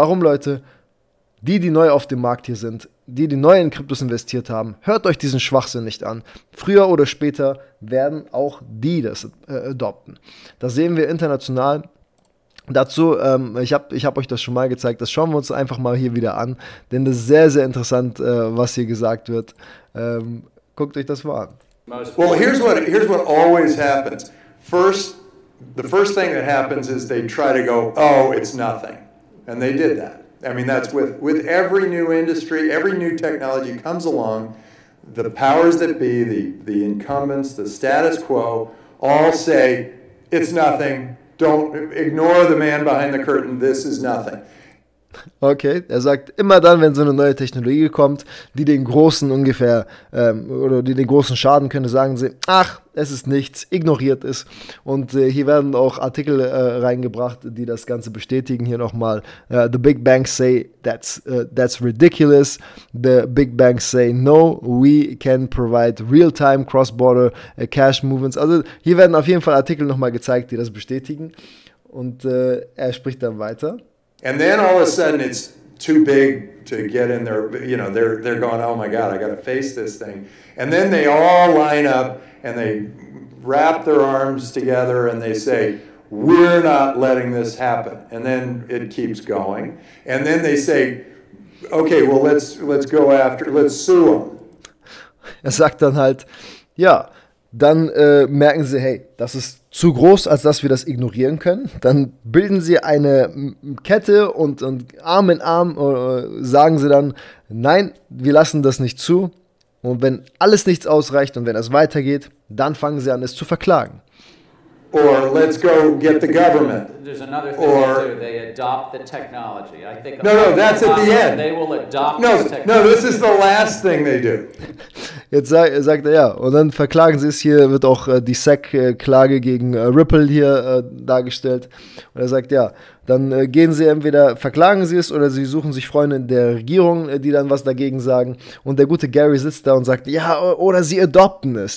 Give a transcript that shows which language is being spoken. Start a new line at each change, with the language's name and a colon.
German: Darum, Leute, die neu auf dem Markt hier sind, die neu in Kryptos investiert haben, hört euch diesen Schwachsinn nicht an. Früher oder später werden auch die das adopten. Da sehen wir international. Dazu, ich hab euch das schon mal gezeigt, das schauen wir uns einfach mal hier wieder an, denn das ist sehr, sehr interessant, was hier gesagt wird. Guckt euch das mal an.
English: Well, here's what always happens. The first thing that happens is they try to go, oh, it's nothing. And they did that. I mean, that's with every new industry, every new technology comes along, the powers that be, the incumbents, the status quo, all say, it's nothing. Don't ignore the man behind the curtain. This is nothing.
German: Okay, er sagt, immer dann, wenn so eine neue Technologie kommt, die den Großen ungefähr, oder die den Großen schaden könnte, sagen sie, ach, es ist nichts, ignoriert es. Und hier werden auch Artikel reingebracht, die das Ganze bestätigen. Hier nochmal,
English: the big banks say, that's ridiculous. The big banks say, no, we can provide real-time cross-border cash movements.
German: Also hier werden auf jeden Fall Artikel nochmal gezeigt, die das bestätigen. Und er spricht dann weiter.
English: And then all of a sudden it's too big to get in there, you know, they're going, oh my God, I got to face this thing. And then they all line up and they wrap their arms together and they say, we're not letting this happen. And then it keeps going. And then they say, okay, well, let's sue them.
German: Er sagt dann halt, ja, dann merken sie, hey, das ist zu groß, als dass wir das ignorieren können, dann bilden sie eine Kette und Arm in Arm sagen sie dann, nein, wir lassen das nicht zu. Und wenn alles nichts ausreicht und wenn es weitergeht, dann fangen sie an, es zu verklagen.
English: Or let's go get the government. There's another thing or, they do. They adopt the technology. I think no, that's at the end. They will adopt no, the technology. No, this is the last thing they do.
German: Jetzt sagt er, ja, und dann verklagen sie es. Hier wird auch die SEC-Klage gegen Ripple hier dargestellt. Und er sagt, ja, dann gehen sie entweder, verklagen sie es oder sie suchen sich Freunde in der Regierung, die dann was dagegen sagen. Und der gute Gary sitzt da und sagt, ja, oder sie adopten es.